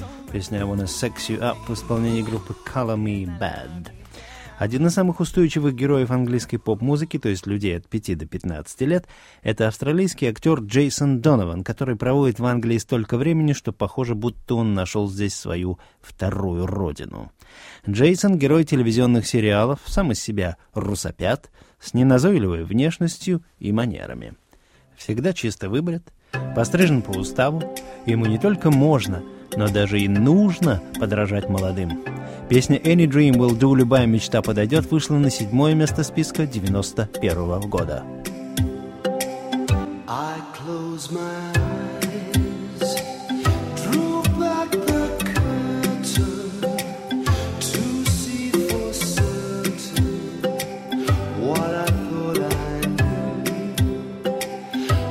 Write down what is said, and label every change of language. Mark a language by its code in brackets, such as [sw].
[ru] Песня I Wanna Sex You Up в исполнении группы Color Me Bad. Один из самых устойчивых героев английской поп-музыки, то есть людей от 5 до 15 лет, это австралийский актер Джейсон Донован, который проводит в Англии столько времени, что похоже, будто он нашел здесь свою вторую родину. Джейсон — герой телевизионных сериалов, сам из себя русопят, с неназойливой внешностью и манерами. Всегда чисто выбрит, пострижен по уставу, ему не только можно, но даже и нужно подражать молодым. Песня «Any Dream Will Do» — «Любая мечта подойдет» — вышла на 7-е место списка 91-го года. [en] I close my eyes, drew back the curtain to see for certain what I thought I knew.